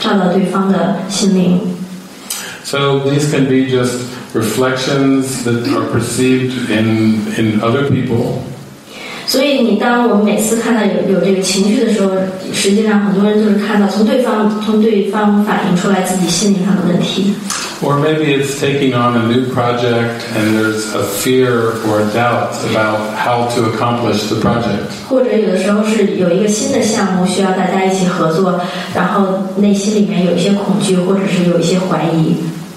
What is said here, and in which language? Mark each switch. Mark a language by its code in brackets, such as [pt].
[en] So these can be just reflections that are perceived in other people. [zh] 所以当我们每次看到有这个情绪的时候，实际上很多人就是看到从对方反映出来自己心理上的问题。 [en] Or maybe it's taking on a new project and there's a fear or a doubt about how to accomplish the project.